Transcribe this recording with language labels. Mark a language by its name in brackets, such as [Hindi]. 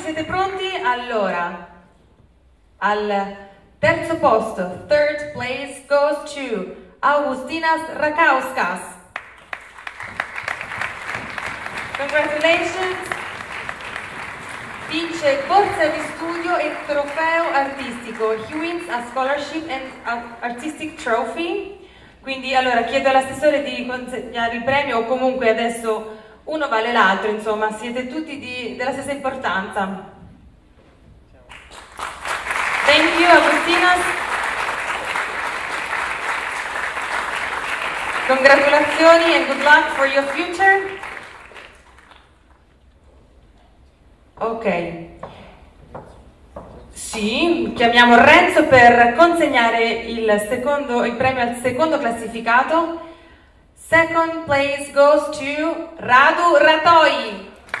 [Italian] Siete pronti? Allora, al terzo posto, [English] third place goes to [Italian] Augustinas Rakauskas. [English] Congratulations. [Italian] Vince borsa di studio e trofeo artistico. [English] He wins a scholarship and artistic trophy. [Italian] Quindi, allora, chiedo all'assessore di consegnare il premio, o comunque adesso uno vale l'altro, insomma, siete tutti della stessa importanza. [English] Thank you, Agustinas. Congratulazioni and good luck for your future. [Italian] Ok, sì, chiamiamo Renzo per consegnare il premio al secondo classificato. [English] Second place goes to Radu Ratoi.